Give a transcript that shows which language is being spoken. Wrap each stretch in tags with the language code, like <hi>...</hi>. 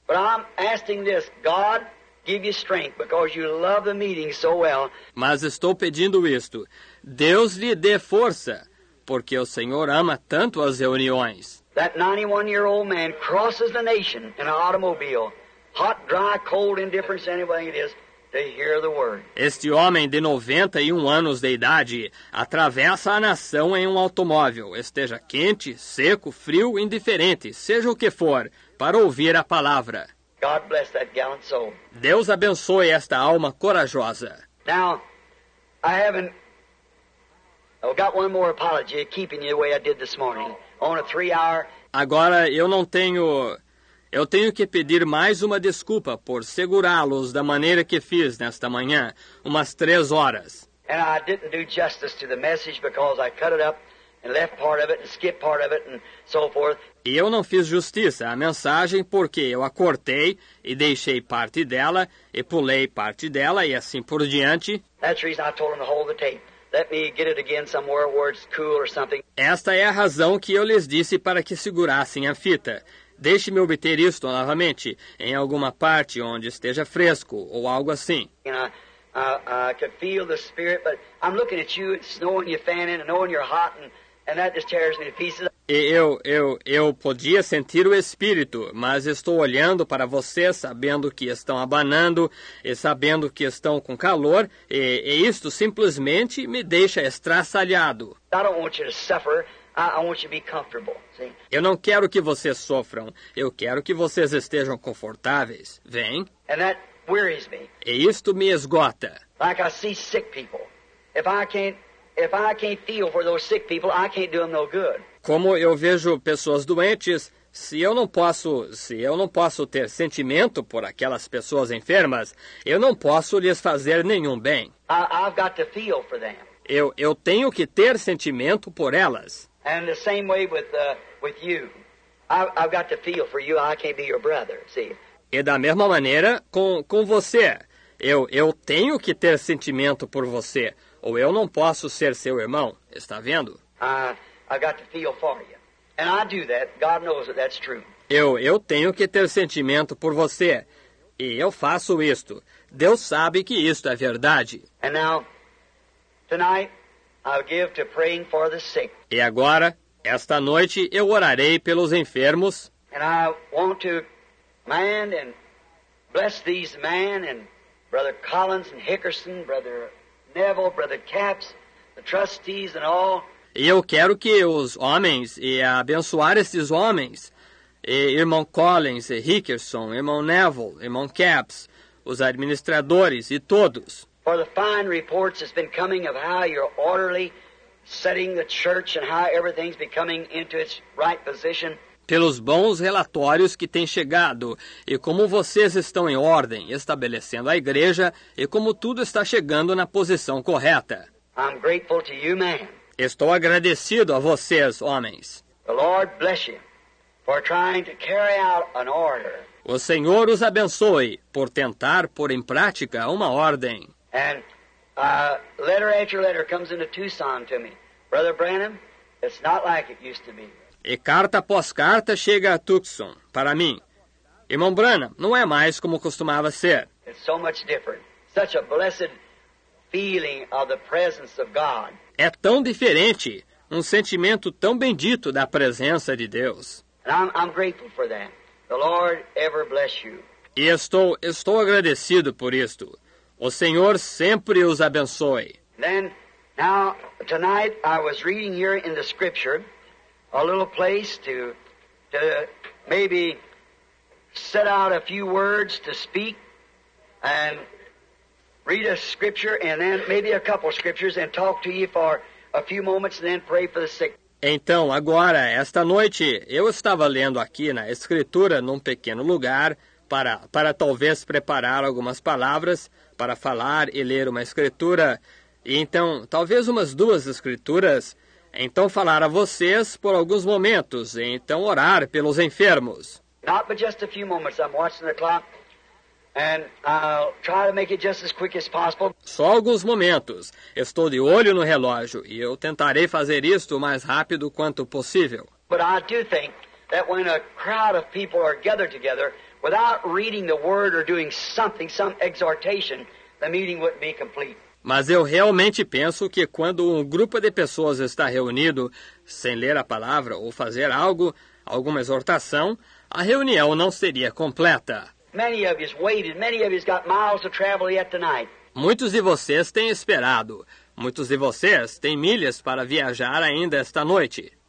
<en>But I'm asking this, God, give you strength because you love the meeting so well.</en> <pt>Mas estou pedindo isto. Deus lhe dê força, porque o Senhor ama tanto as reuniões.</pt> <en>That 91-year-old man crosses the nation in an automobile, hot, dry, cold, indifference, anyway it is, to hear the word.</en> <pt>Este homem de 91 anos de idade atravessa a nação em um automóvel, esteja quente, seco, frio, indiferente, seja o que for, para ouvir a palavra.</pt> <en>God bless that gallant soul.</en> <pt>Deus abençoe esta alma corajosa.</pt> <en>Now, I've got one more apology, keeping you the way I did this morning. On a 3-hour...</en> <pt>Agora, eu tenho que pedir mais uma desculpa por segurá-los da maneira que fiz nesta manhã, umas 3 horas.</pt> <en>And I didn't do justice to the message because I cut it up and left part of it and skipped part of it and so forth.</en> <pt>E eu não fiz justiça à mensagem porque eu a cortei e deixei parte dela e pulei parte dela e assim por diante.</pt> <en>That's the reason I told him to hold the tape. Let me get it again somewhere where it's cool or something.</en> <pt>Esta é a razão que eu lhes disse para que segurassem a fita. Deixe-me obter isto novamente em alguma parte onde esteja fresco ou algo assim.</pt> <en>I could feel the spirit, but I'm looking at you, snowing, you're fanning, and knowing you're hot, and that just tears me to pieces.</en> <pt>Eu podia sentir o espírito, mas estou olhando para vocês, sabendo que estão abanando e sabendo que estão com calor, e isto simplesmente me deixa estraçalhado.</pt> <en>I don't want you to suffer. I want you to be comfortable. See?</en> <pt>Eu não quero que vocês sofram. Eu quero que vocês estejam confortáveis. Vem.</pt> <en>And that wearies me.</en> <pt>E isto me esgota.</pt> <en>Like I see sick people. If I can't feel for those sick people, I can't do them no good.</en> <pt>Como eu vejo pessoas doentes, se eu não posso ter sentimento por aquelas pessoas enfermas, eu não posso lhes fazer nenhum bem.</pt> <en>I've got to feel for them.</en> <pt>Eu tenho que ter sentimento por elas.</pt> <en>And the same way with you. I've got to feel for you. I can't be your brother, see?</en> <pt>E da mesma maneira com você. Eu tenho que ter sentimento por você, ou eu não posso ser seu irmão. Está vendo?</pt> <en>I've got to feel for you. And I do that. God knows that that's true.</en> <pt>Eu tenho que ter sentimento por você. E eu faço isto. Deus sabe que isto é verdade.</pt> <en>And now, tonight, I'll give to praying for the sick.</en> <pt>E agora, esta noite, eu orarei pelos enfermos.</pt> <en>And I want to man and bless these men and Brother Collins and Hickerson, Brother Neville, Brother Capps, the trustees and all.</en> <pt>E eu quero que os homens, e abençoar esses homens, e irmão Collins, e Hickerson, irmão Neville, irmão Capps, os administradores e todos.</pt> <en>For the fine reports that's been coming of how you're orderly setting the church and how everything's becoming into its right position.</en> <pt>Pelos bons relatórios que têm chegado, e como vocês estão em ordem, estabelecendo a igreja, e como tudo está chegando na posição correta.</pt> <en>I'm grateful to you, man.</en> <pt>Estou agradecido a vocês, homens.</pt> <en>The Lord bless you for trying to carry out an order.</en> <pt>O Senhor os abençoe por tentar pôr em prática uma ordem.</pt> <en>And letter after letter comes into Tucson to me. Brother Branham, it's not like it used to be.</en> <pt>E carta após carta chega a Tucson para mim. Irmão Branham, não é mais como costumava ser.</pt> <en>It's so much different. Such a blessed feeling of the presence of God.</en> <pt>É tão diferente, um sentimento tão bendito da presença de Deus.</pt> <en>I'm grateful for that. The Lord ever bless you.</en> <pt>E estou agradecido por isto. O Senhor sempre os abençoe.</pt> <en>Then, now, tonight, I was reading here in the scripture, a little place to maybe set out a few words to speak and read a scripture and then maybe a couple of scriptures and talk to you for a few moments and then pray for the sick.</en> <pt>Então, agora, esta noite, eu estava lendo aqui na escritura num pequeno lugar para talvez preparar algumas palavras para falar e ler uma escritura. E então, talvez umas 2 escrituras. Então, falar a vocês por alguns momentos e então orar pelos enfermos.</pt> <en>Not but just a few moments. I'm watching the clock. And I'll try to make it just as quick as possible.</en> <pt>Só alguns momentos. Estou de olho no relógio e eu tentarei fazer isto o mais rápido quanto possível.</pt> <en>But I do think that when a crowd of people are gathered together Without reading the word or doing something, some exhortation, the meeting wouldn't be complete.</en> <pt>Mas eu realmente penso que quando um grupo de pessoas está reunido sem ler a palavra ou fazer algo, alguma exortação, a reunião não seria completa.</pt> <en>Many of you waited. Many of you got miles to travel yet tonight.</en> <pt>Muitos de vocês têm esperado. Muitos de vocês têm milhas para viajar ainda esta noite.</pt>